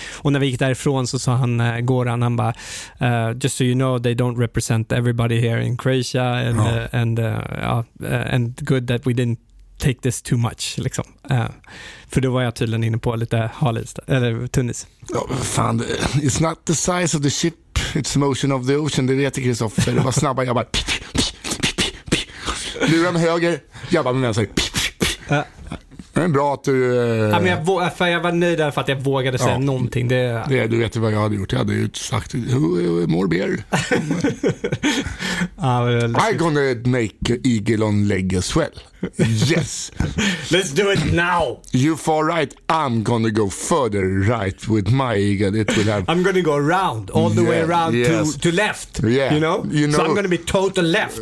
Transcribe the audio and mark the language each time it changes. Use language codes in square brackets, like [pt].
[sv] Och när vi gick därifrån så sa han, Goran, han bara, [en] just so you know, they don't represent everybody here in Croatia, and good that we didn't take this too much [sv] liksom. För då var jag tydligen inne på lite halis eller tunnis. Ja, fan, [en] it's not the size of the ship, it's the motion of the ocean. [sv] Det vet Kristoffer. Det var snabba, jag bara lura med höger, jag bara med mig, det är bra att du jag var nöjd därför att jag vågade säga någonting. Du vet ju vad jag hade gjort. Jag hade ju sagt [en] more beer. I'm gonna make eagle on leg as well. Yes. Let's do it now. You far right, I'm gonna go further right with my eagle. It will have... I'm gonna go around all the way around to left. Yeah. You know, so I'm gonna be total left.